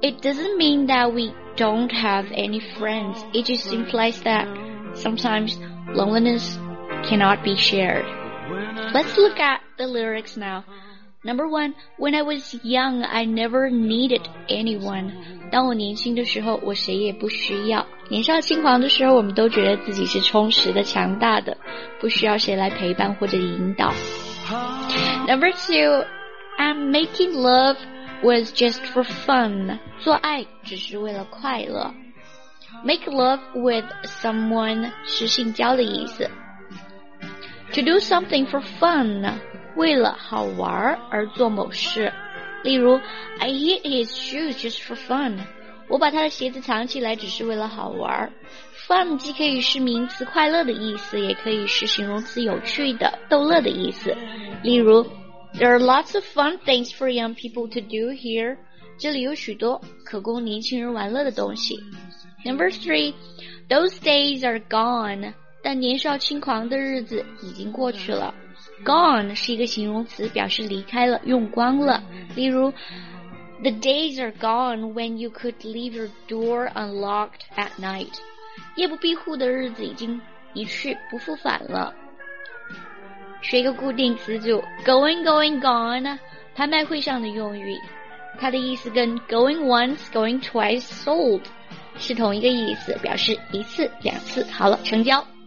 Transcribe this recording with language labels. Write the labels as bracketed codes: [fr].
[en] It doesn't mean that we don't have any friends. It just implies that sometimes loneliness cannot be shared. Let's look at the lyrics now. Number one, when I was young, I never needed anyone. [zh] 当我年轻的时候，我谁也不需要。年少轻狂的时候，我们都觉得自己是充实的、强大的，不需要谁来陪伴或者引导。 [en] Number two, I'm making love was just for fun. [zh] 做爱只是为了快乐。 [en] Make love with someone [zh] 是性交的意思。 [en] To do something for fun. [zh] 为了好玩而做某事，例如 [en] I hid his shoes just for fun， [zh] 我把他的鞋子藏起来只是为了好玩。 Fun 既可以是名词快乐的意思，也可以是形容词有趣的、逗乐的意思。例如 [en] There are lots of fun things for young people to do here， [zh] 这里有许多可供年轻人玩乐的东西。 [en] Number three， Those days are gone， [zh] 但年少轻狂的日子已经过去了。 Gone 是一个形容词，表示离开了、用光了。例如 [en] The days are gone when you could leave your door unlocked at night. [zh] 夜不闭户的日子已经一去不复返了。学一个固定词组 [en] Going, going, gone [zh] 拍卖会上的用语，它的意思跟 [en] Going once, going twice, sold [zh] 是同一个意思，表示一次、两次，好了，成交。